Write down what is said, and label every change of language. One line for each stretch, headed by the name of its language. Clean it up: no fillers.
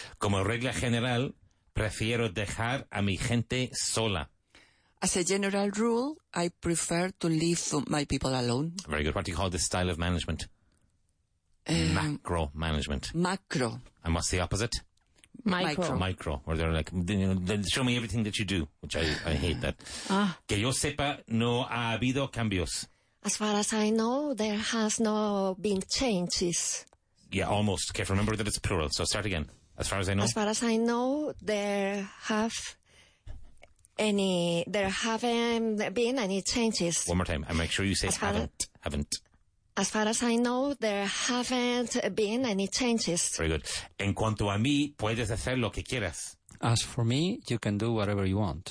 Spanish: Como regla general, prefiero dejar a mi gente sola.
English: As a general rule, I prefer to leave my people alone. Very good. What do you call this style of management? Macro management. Macro. And what's the opposite? Micro. Micro. Where they're like, show me everything that you do, which I hate that.
Spanish: Que yo sepa, no ha habido cambios.
English: As far as I know, there has no been changes. Yeah, almost. Okay, remember that it's plural. So start again. As far as I know. As far as I know, there haven't been any changes. One more time. And make sure you say haven't. As far as I know, there haven't been any changes. Very good.
Spanish: En cuanto a mí, puedes hacer lo que quieras.
English: As for me, you can do whatever you want.